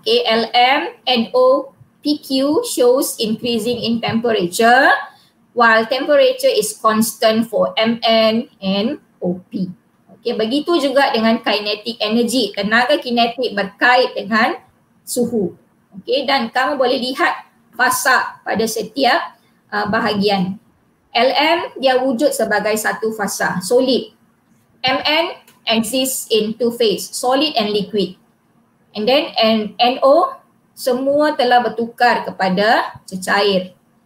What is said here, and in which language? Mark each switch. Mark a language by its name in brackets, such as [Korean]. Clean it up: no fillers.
[English] Okay, LM, NO, PQ shows increasing in temperature while temperature is constant for MN and OP. [Malay] Okay, begitu juga dengan [English] kinetic energy. [Malay] Tenaga kinetik berkait dengan suhu. Okay, dan kamu boleh lihat fasa pada setiap bahagian. LM dia wujud sebagai satu fasa, solid. [English] MN exists in two phase, solid and liquid. And then [Malay] NO semua telah bertukar kepada cecair.